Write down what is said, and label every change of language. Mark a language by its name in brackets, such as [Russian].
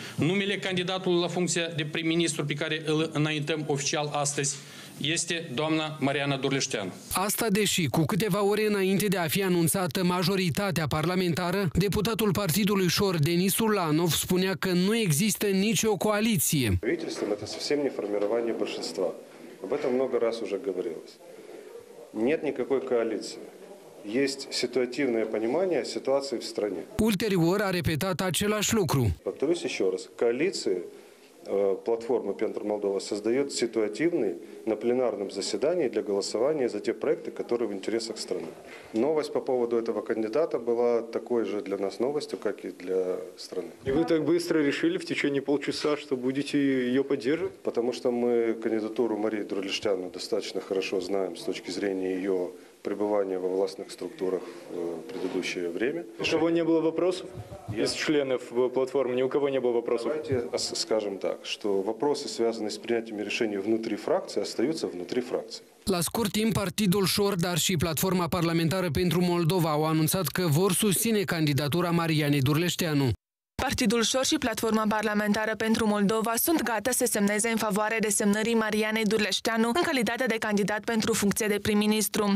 [Romanian] Numele candidatului la funcția de prim-ministru pe care îl înaintăm oficial astăzi este doamna Mariana Durleșteanu. Asta deși, cu câteva ore înainte de a fi anunțată majoritatea parlamentară, deputatul Partidului Șor, Denis Ulanov, spunea că nu există nicio coaliție. Guvernul este [Russian] совсем не формирование большинства. Об этом много раз уже говорилось. Нет никакой коалиции. Есть ситуативное понимание ситуации в стране. [Romanian] Ulterior a repetat același lucru. [Russian] Повторюсь еще раз. Коалиции платформы Пентру Молдова создает ситуативный на пленарном заседании для голосования за те проекты, которые в интересах страны. Новость по поводу этого кандидата была такой же для нас новостью, как и для страны. И вы так быстро решили в течение полчаса, что будете ее поддерживать? Потому что мы кандидатуру Марии Дурлештяну достаточно хорошо знаем с точки зрения ее пребывание во властных структурах в предыдущее время. У кого не было вопросов? Из членов платформы ни у кого не было вопросов? Давайте скажем так, что вопросы, связанные с принятием решений внутри фракции, остаются внутри фракции. [Romanian] La scurt timp, Partidul Șor, dar și Platforma Parlamentară pentru Moldova au anunțat că vor susține candidatura Marianei Durleșteanu. Partidul Șor și Platforma Parlamentară pentru Moldova sunt gata să semneze în favoare desemnării Marianei Durleșteanu în calitate de candidat pentru funcția de prim-ministru.